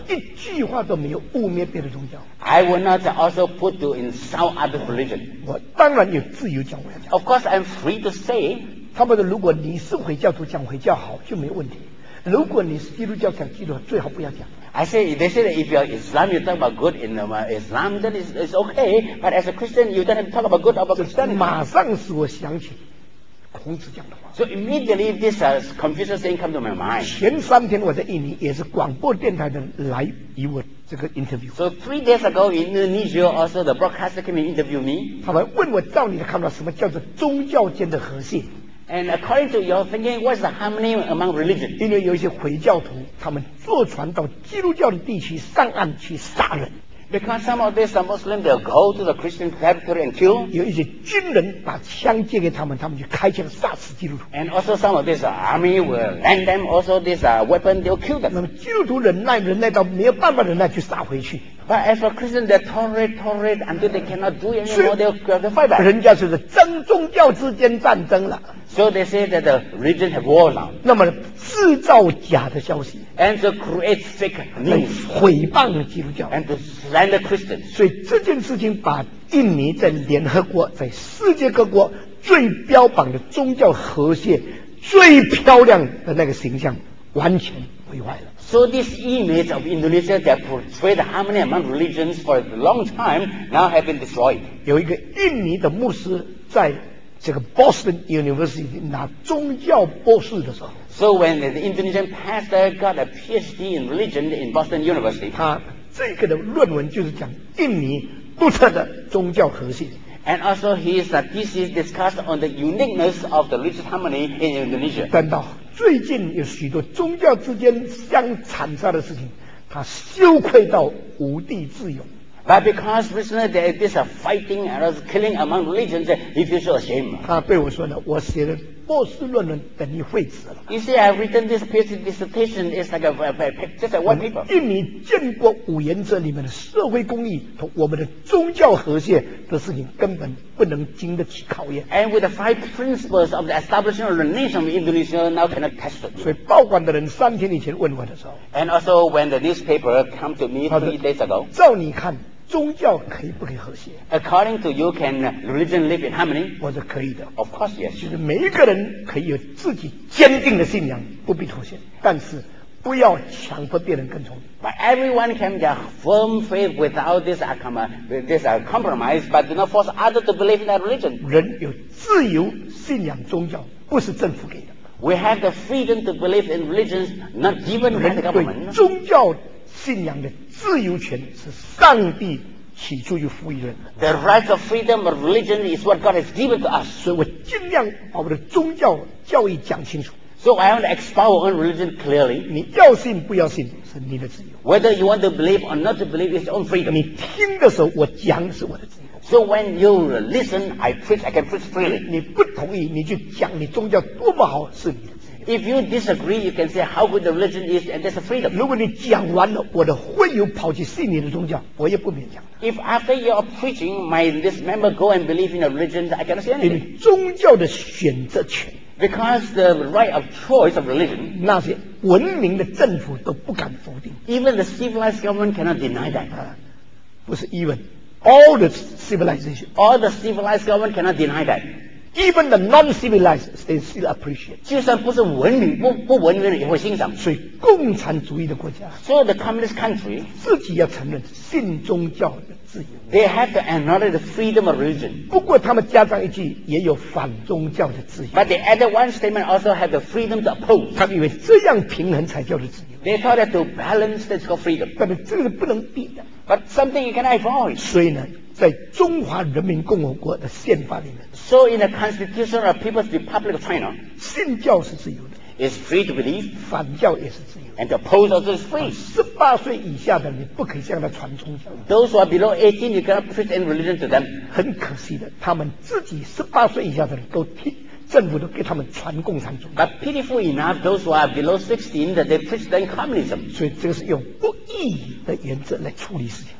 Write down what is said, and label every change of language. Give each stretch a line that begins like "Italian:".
Chinese: 一句话都没有污蔑别的宗教。
English: I will not also put to insult other religion.
Chinese: 我当然有自由讲我要讲。
English: Of course, I'm free to say.
Chinese: 差不多，如果你是回教徒，讲回教好就没问题。如果你是基督教，讲基督最好不要讲。
English: I say, they say that if you're Islam, you talk about good in Islam, then it's okay. But as a Christian, you don't have to talk about good about Christianity.
Chinese: 马上使我想起孔子讲的话。
English: So immediately this confusing thing come to my mind.
Chinese: 前三天我在印尼，也是广播电台的来与我这个 interview.
English: So 3 days ago in Indonesia, also the broadcaster came and interview me.
Chinese: 他们问我到底看到什么叫做宗教间的和谐。
English: And according to your thinking, what's the harmony among religion?
Chinese: 因为有一些回教徒，他们坐船到基督教的地区上岸去杀人。
English: Because some of these Muslims, they'll go to the Christian territory and kill.
Chinese: 有一些军人把枪借给他们，他们就开枪杀死基督徒。
English: And also some of these army will lend them also this weapon, they'll kill them.
Chinese: 那么基督徒忍耐到没有办法忍耐，就杀回去。
English: But as for Christians, they tolerate until they cannot do anymore, they'll fight back.
Chinese: 人家就是争宗教之间战争了。
English: So they say that the religion have war now.
Chinese: 那么制造假的消息。
English: And to create fake news.
Chinese: 毁谤基督教。
English: And to slander Christians.
Chinese: 所以这件事情把印尼在联合国，在世界各国最标榜的宗教和谐、最漂亮的那个形象完全毁坏了。
English: So this image of Indonesia that portrayed harmony among religions for a long time now have been destroyed.
Chinese: 有一个印尼的牧师在这个 Boston University 拿宗教博士的时候。
English: So when the Indonesian pastor got a PhD in religion in Boston University.
Chinese: 他这个的论文就是讲印尼独特的宗教和谐。
English: And also his thesis discussed on the uniqueness of the religious harmony in Indonesia.
Chinese: 等到最近有许多宗教之间相残杀的事情，他羞愧到无地自容。
English: But because recently there is this fighting and killing among religions, he feels ashamed.
Chinese: 他对我说呢，我写的博士论文等于废纸了。
English: You see, I've written this PhD dissertation is like just a white paper.
Chinese: 印尼建国五原则里面的社会公益和我们的宗教和谐的事情根本不能经得起考验。
English: And with the five principles of the establishment of the nation of Indonesia now cannot test it.
Chinese: 所以报馆的人三天以前问我的时候。
English: And also when the newspaper came to me 3 days ago.
Chinese: 照你看，宗教可以不可以和谐？
English: According to you, can religion live in harmony?
Chinese: 我是可以的。
English: Of course, yes.
Chinese: 就是每一个人可以有自己坚定的信仰，不必妥协，但是不要强迫别人跟从。
English: But everyone can have firm faith without this compromise, but do not force others to believe in that religion.
Chinese: 人有自由信仰宗教，不是政府给的。
English: We have the freedom to believe in religions, not given by the government.
Chinese: 人对宗教信仰的自由权是上帝起初就赋予人的。
English: The right of freedom of religion is what God has given to us.
Chinese: 所以我尽量把我的宗教教义讲清楚。
English: So I want to expound on religion clearly.
Chinese: 你要信不要信是你的自由。
English: Whether you want to believe or not to believe is your own freedom.
Chinese: 你听的时候我讲是我的自由。
English: So when you listen, I preach, I can preach freely.
Chinese: 你不同意你就讲你宗教多么好是你的自由。
English: If you disagree, you can say how good the religion is, and that's a freedom.
Chinese: 如果你讲完了，我的会友跑去信你的宗教，我也不勉强。
English: If after your preaching, my this member go and believe in a religion, I cannot say anything.
Chinese: 宗教的选择权。
English: Because the right of choice of religion,
Chinese: 那些文明的政府都不敢否定。
English: Even the civilized government cannot deny that.
Chinese: 不是
English: even all the civilization. All the civilized government cannot deny that. Even the non-civilized, they still appreciate.
Chinese: 就算不是文明，不文明的也会欣赏。所以共产主义的国家，所有的
English: communist country，
Chinese: 自己要承认信宗教的自由。
English: They have to acknowledge the freedom of religion.
Chinese: 不过他们加上一句，也有反宗教的自由。
English: But they added one statement, also have the freedom to oppose.
Chinese: 他们以为这样平衡才叫做自由。
English: They thought that to balance that's called freedom.
Chinese: 但是这个不能避的。
English: But something you can avoid.
Chinese: 所以呢？在中华人民共和国的宪法里面
English: So in the Constitution of People's Republic of China
Chinese: 信教是自由的
English: It's free to believe
Chinese: 反教也是自由的
English: And the oppose also is free
Chinese: 18岁以下的你不可以向他传宗教
English: Those who are below 18 you cannot preach any religion to them
Chinese: 很可惜的他们自己18岁以下的人都听政府都给他们传共产主义
English: But pitiful enough those who are below 16 that they preach them communism
Chinese: 所以这个是用不义的原则来处理事情